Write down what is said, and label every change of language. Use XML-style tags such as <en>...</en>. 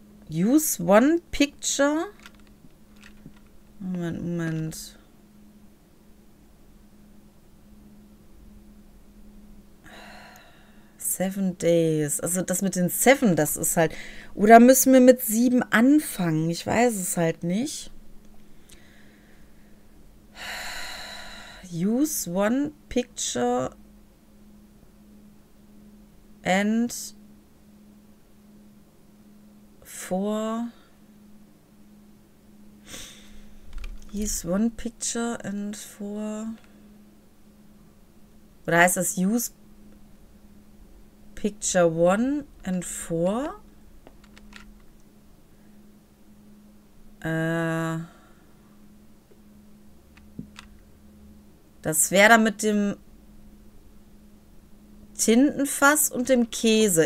<en>Use one picture.</en> <de>Moment, Moment. Seven Days. Also das mit den Seven, das ist halt. Oder müssen wir mit sieben anfangen? Ich weiß es halt nicht.</de> <en>Use one picture and four. Use one picture and four.</en> <de>Oder heißt das</de> <en>use picture one and four?</en> <de>Das wäre dann mit dem Tintenfass und dem Käse.</de>